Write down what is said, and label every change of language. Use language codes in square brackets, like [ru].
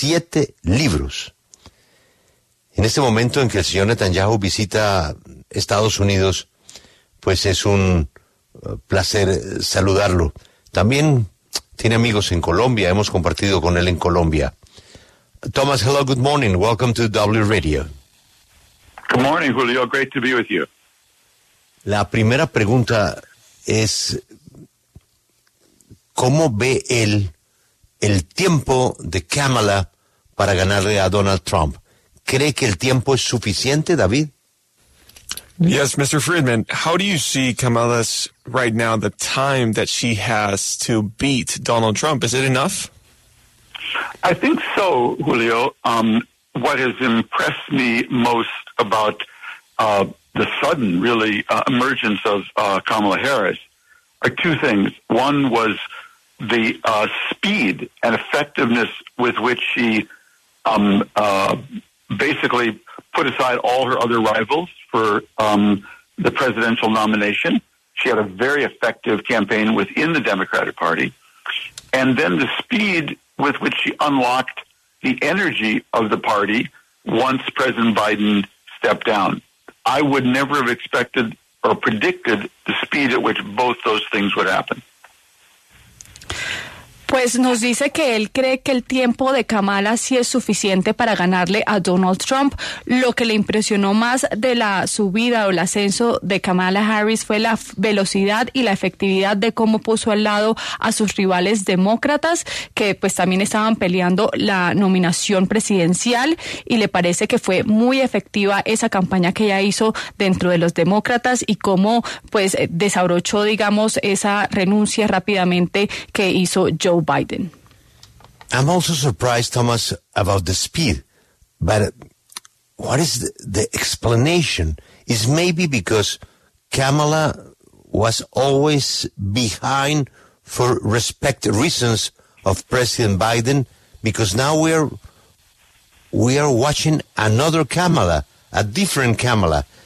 [es] 7 libros. En este momento en que el señor Netanyahu visita Estados Unidos, pues es un placer saludarlo. También tiene amigos en Colombia, hemos compartido con él en Colombia. [en] Thomas, hello, good morning, welcome to W Radio. Good morning, Julio, great to be with you. [es] La primera pregunta es, ¿cómo ve él el tiempo de Kamala para ganarle a Donald Trump? ¿Cree que el tiempo es suficiente, David? [en] Yes, Mr. Friedman, how do you see Kamala's right now, the time that she has to beat Donald Trump? Is it enough? I think so, Julio. What has impressed me most about the sudden, really, emergence of Kamala Harris are 2 things. One was the speed and effectiveness with which she basically put aside all her other rivals for the presidential nomination. She had a very effective campaign within the Democratic Party. And then the speed with which she unlocked the energy of the party once President Biden stepped down. I would never have expected or predicted the speed at which both those things would happen. [es] Pues nos dice que él cree que el tiempo de Kamala sí es suficiente para ganarle a Donald Trump. Lo que le impresionó más de la subida o el ascenso de Kamala Harris fue la velocidad y la efectividad de cómo puso al lado a sus rivales demócratas, que pues también estaban peleando la nominación presidencial, y le parece que fue muy efectiva esa campaña que ella hizo dentro de los demócratas y cómo pues desabrochó, digamos, esa renuncia rápidamente que hizo Joe Biden. [en] I'm also surprised, Thomas, about the speed, but what is the explanation? Is maybe because Kamala was always behind for respect reasons of President Biden, because now we are watching another Kamala, a different Kamala.